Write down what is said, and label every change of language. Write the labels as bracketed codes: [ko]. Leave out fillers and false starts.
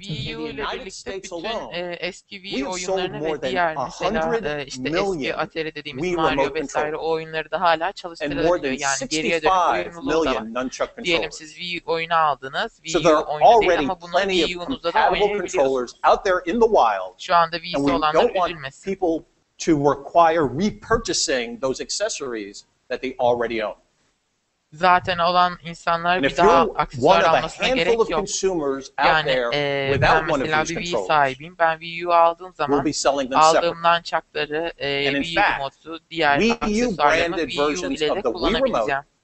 [tr] Wii U ile birlikte bütün eski Wii oyunlarını ve diğer mesela işte eski Atari dediğimiz Mario vesaire o oyunları da hala çalıştırabiliyor. Yani geriye dönük uyumluluğu da var. Diyelim siz Wii oyunu aldınız, Wii U oyunu değil ama bunu Wii U'nuzda da oynayabiliyorsunuz. Şu anda Wii'si olanlar üzülmesin. [en] People to require repurchasing those accessories that they already own. [tr] Zaten olan insanlar bir daha aksesuar almasına gerek yok. Yani ben mesela bir Wii sahibiyim. Ben Wii U aldığım zaman aldığım nunchuck'ları, Wii remote'u, diğer aksesuarlarımı Wii U ile de kullanabileceğim.